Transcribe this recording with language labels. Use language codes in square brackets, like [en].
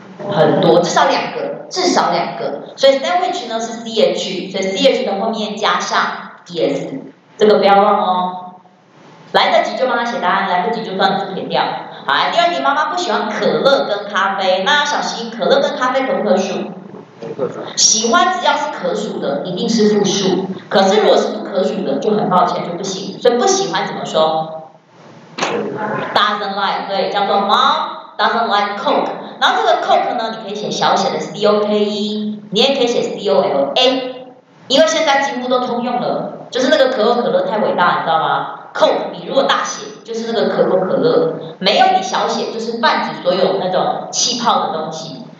[zh] 很多，至少两个，至少两个，所以 sandwich 呢是 ch， 所以 ch 的后面加上 es， 这个不要忘哦。来得及就帮他写答案，来不及就断字撇掉。好，第二题，妈妈不喜欢可乐跟咖啡，那要小心，可乐跟咖啡可不可数？不可数。喜欢只要是可数的，一定是复数。可是如果是不可数的，就很抱歉，就不行。所以不喜欢怎么说 ？ [en] Doesn't like， [zh] 对，叫做 [en] Mom doesn't like Coke。 [zh] 然后这个 Coke 呢，你可以写小写的 C O K E， 你也可以写 C O L A， 因为现在几乎都通用了，就是那个可口可乐太伟大，你知道吗？ Coke， 你如果大写就是那个可口可乐，没有你小写就是泛指所有那种气泡的东西。